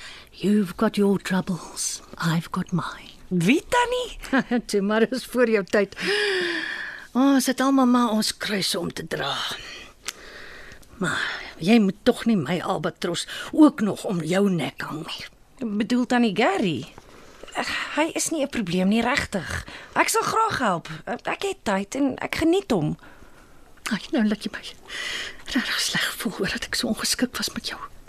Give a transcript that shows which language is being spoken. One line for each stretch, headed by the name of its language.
English: You've got your troubles, I've got mine.
Afrikaans: Wie tannie? Toe maar is voor jou tyd. Ons het almal maar ons kruis om te dra. Maar jy moet tog nie my albatros ook nog om jou nek hang nie. Bedoel tannie Gary? Hy is nie 'n probleem nie, regtig. Ek sal graag help. Ek het tyd en ek geniet hom. Ag, nou laat jy my. Regtig sleg voel oor dat ek so ongeskik was met jou.